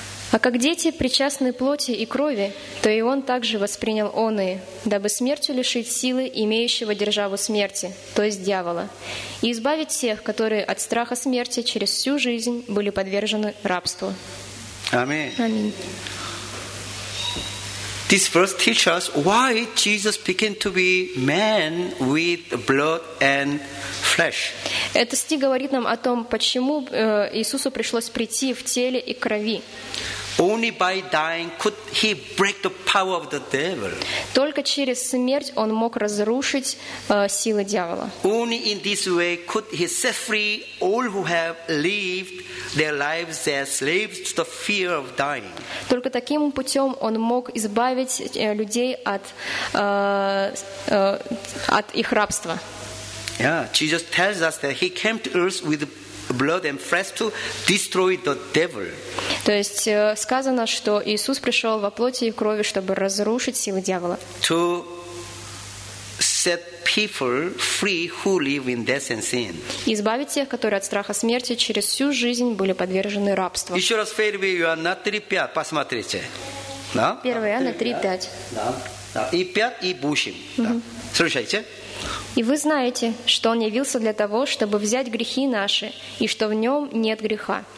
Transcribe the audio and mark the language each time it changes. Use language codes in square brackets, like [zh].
[ru] А как дети причастны плоти и крови, то и он также воспринял оные, дабы смертью лишить силы имеющего державу смерти, то есть дьявола, и избавить всех, которые от страха смерти через всю жизнь были подвержены рабству. Аминь. [en] This verse teaches us why Jesus began to be man with blood and flesh. [ru] Это стих говорит нам о том, почему Иисусу пришлось прийти в теле и крови. [en] Only by dying could he break the power of the devil. [ru] Только через смерть он мог разрушить силы дьявола. [en] Only in this way could he set free all who have lived their lives as slaves to the fear of dying. [ru] Только таким путем он мог избавить людей от их рабства. [en] Yeah, Jesus tells us that he came to earth with blood and flesh to destroy the devil. [ru] То есть сказано, что Иисус пришел во плоти и крови, чтобы разрушить силы дьявола. [en] To set people free who live in death and sin. [ru] Избавить тех, которые от страха смерти через всю жизнь были подвержены рабству. Еще раз первый Иоанна 3:5, посмотрите. Да? Первый Иоанна 3:5. Да. И 5 и будущим. Да. Слушайте. И вы знаете, что Он явился для того, чтобы взять грехи наши, и что в Нем нет греха.